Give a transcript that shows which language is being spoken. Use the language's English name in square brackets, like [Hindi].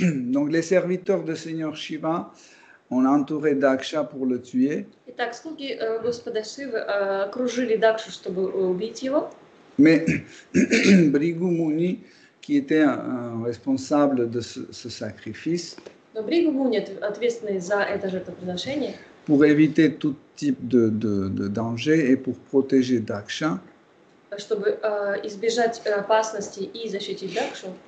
[French] Donc, les serviteurs de Seigneur Shiva ont entouré Daksha pour le tuer. [Russian] Et так, слуги господа Шивы окружили Дакшу, чтобы убить его. [French] Mais Бригумуни, qui était responsable de ce sacrifice. [Russian] Но Бригумуни ответственный за это жертвоприношение. [French] Pour éviter tout type de danger et pour protéger Daksha. [Russian] чтобы избежать опасности и защитить Дакшу.